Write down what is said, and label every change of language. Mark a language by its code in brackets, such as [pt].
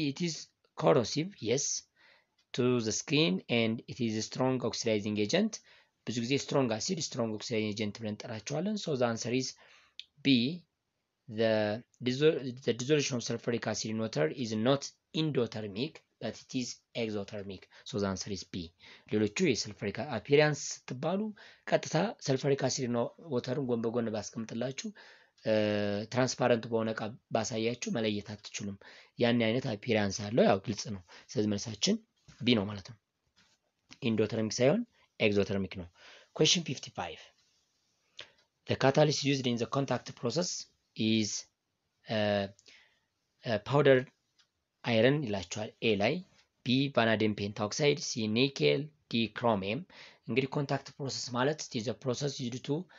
[en] It is corrosive. Yes. To the skin and it is a strong oxidizing agent. [am] ብዙ ጊዜ [en] strong acid, strong oxidizing agent [am] ብለን ጠራቸዋለን. [en] So the answer is B. The dissolution of sulfuric acid in water is not endothermic, but it is exothermic. So the answer is B. [am] ሌሎቹ የሰልፈሪክ አፒሪያንስ ስትባሉ ቀጥታ ሰልፈሪክ አሲድ ነው ወተሩን ጎን በጎን ባስቀምጥላችሁ ትራንስፓረንት በሆነ ቃ ባሳያችሁ መለየት አትችሉም። ያን አይነት አፒሪያንስ አለው ያው ግልጽ ነው። ስለዚህ መልሳችን B ነው ማለት ነው። endothermic ሳይሆን exothermic ነው። Question 55. [en] The catalyst used in the contact process is powder iron [am] ይላቸዋል A ላይ [en] B vanadium pentoxide C nickel D chromium እንግዲህ contact process ማለት it is a process used to